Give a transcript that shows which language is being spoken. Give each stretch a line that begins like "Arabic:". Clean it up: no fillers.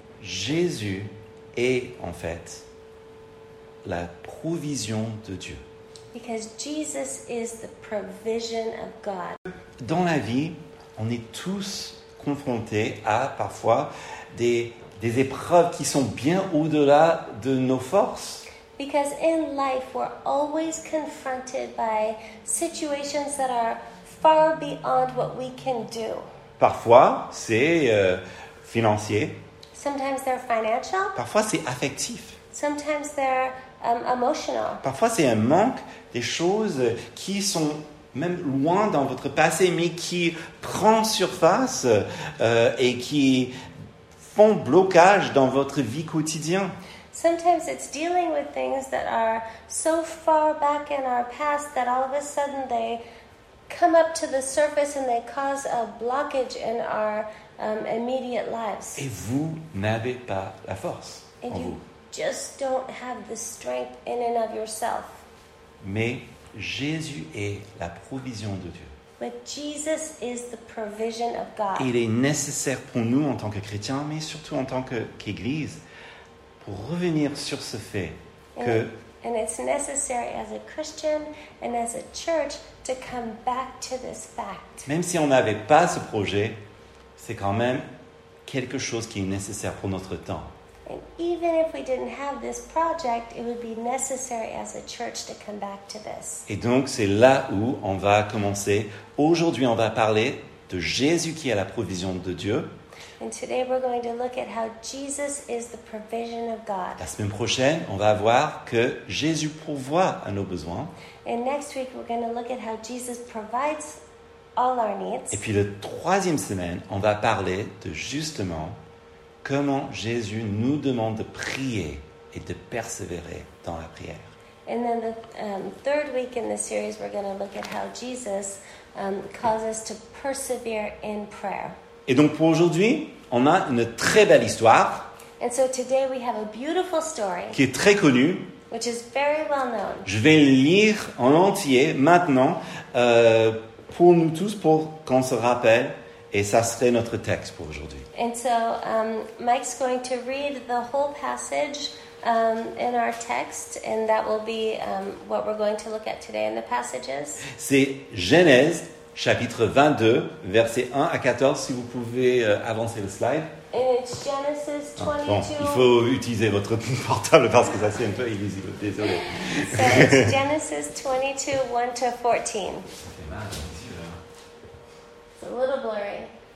French: Jésus est en fait la provision de Dieu.
English: Because Jesus is the provision of God.
French: Dans la vie, on est tous confrontés à parfois des épreuves qui sont bien au-delà de nos forces.
English: Because in life, we're always confronted by situations that are far beyond what we can do.
French: Parfois, c'est financier.
English: Sometimes they're financial.
French: Parfois, c'est affectif.
English: Sometimes they're emotional.
French: Parfois, c'est un manque des choses qui sont même loin dans votre passé, mais qui prend surface et qui font blocage dans votre vie quotidienne.
English: Sometimes it's dealing with things that are so far back in our past that all of a sudden they come up to the surface and they cause a blockage in our immediate lives.
French: Et vous n'avez pas la force
English: and
French: en
English: you
French: vous.
English: Just don't have the strength in and of yourself.
French: Mais Jésus est la provision de Dieu.
English: But Jesus is the provision of God.
French: Il est nécessaire pour nous en tant que chrétiens, mais surtout en tant qu'église, pour revenir sur ce fait que
English: and it's necessary as a Christian and as a church to come back to this fact.
French: Même si on n'avait pas ce projet, c'est quand même quelque chose qui est nécessaire pour notre temps.
English: And even if we didn't have this project, it would be necessary as a church to come back to this.
French: Et donc, c'est là où on va commencer. Aujourd'hui, on va parler de Jésus qui est la provision de Dieu.
English: And today we're going to look at how Jesus is the provision of God.
French: La semaine prochaine, on va voir que Jésus pourvoit à nos besoins.
English: And next week we're going to look at how Jesus provides all our needs.
French: Et puis la troisième semaine, on va parler de justement comment Jésus nous demande de prier et de persévérer dans la prière.
English: And then the third week in the series we're going to look at how Jesus calls us to persevere in prayer.
French: Et donc pour aujourd'hui, on a une très belle histoire
English: and so today we have a beautiful story,
French: qui est très connue.
English: Which is very well known.
French: Je vais lire en entier maintenant pour nous tous, pour qu'on se rappelle. Et ça serait notre texte pour aujourd'hui.
English: And so Mike's going to read the whole passage in our text. And that will be what we're going to look at today in the passages.
French: C'est Genèse. Chapitre 22, versets 1 à 14, si vous pouvez avancer le slide.
English: Genesis 22.
French: Bon, il faut utiliser votre portable parce que ça c'est un peu illisible, désolé.
English: So it's Genesis 22, 1-14. It's a little blurry.